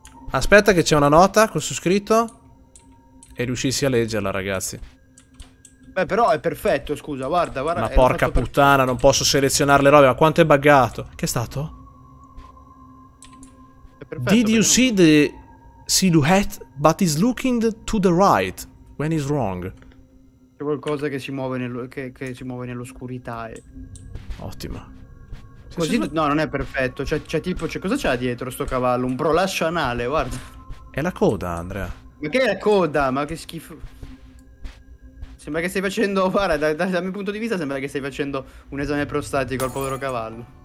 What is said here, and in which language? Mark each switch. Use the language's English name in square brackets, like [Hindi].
[Italian] Aspetta che c'è una nota con su scritto. E riuscissi a leggerla, ragazzi. Beh, però è perfetto, scusa, guarda. Ma porca puttana, non posso selezionare le robe, ma quanto è buggato. Che è stato? È perfetto. [English] Did you see the silhouette, but is looking to the right when is wrong? [Italian] C'è qualcosa che si muove che si muove nell'oscurità. Ottimo. Così, no, non è perfetto. C'è cosa c'ha dietro sto cavallo? Un brolascio anale, guarda. È la coda, Andrea. Ma che è la coda? Ma che schifo. Sembra che stai facendo, guarda, dal mio punto di vista sembra che stai facendo un esame prostatico al povero cavallo.